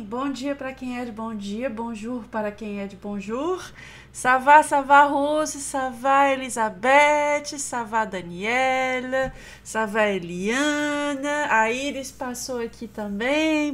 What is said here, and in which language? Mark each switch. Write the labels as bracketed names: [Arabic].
[Portuguese] Bon dia para quem é de bom dia, bonjour para quem é de bonjour. [French] Ça va Rose, ça va Elisabeth, ça va Daniela, ça va Eliana. [Portuguese] A Iris passou aqui também.